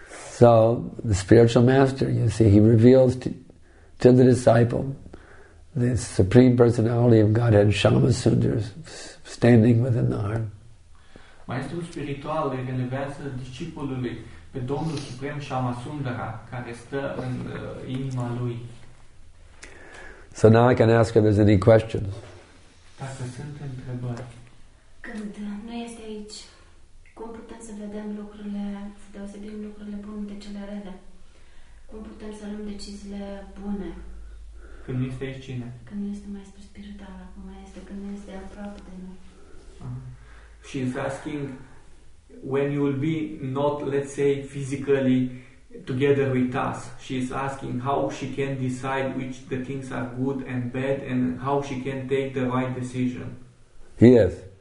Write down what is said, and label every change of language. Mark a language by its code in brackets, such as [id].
[en] So the spiritual master, you see, he reveals to the disciple the supreme personality of Godhead, Shama Sundar, standing within the heart. [ro] Maestrul spiritual îi relevează discipolului pe Domnul Suprem Shama Sundara, care stă în inima lui. [en] So now I can ask if there's any questions. [ro] Dacă sunt întrebări. Când nu este aici, cum putem să vedem lucrurile, să deosebim lucrurile bune de cele rele? Cum putem să luăm deciziile bune? Când nu este aici cine? Când nu este Maestru spiritual, acum este, când nu este aproape de noi. [en] She's asking, when you will be not, let's say, physically together with us, she's asking how she can decide which the things are good and bad and how she can take the right decision. Yes.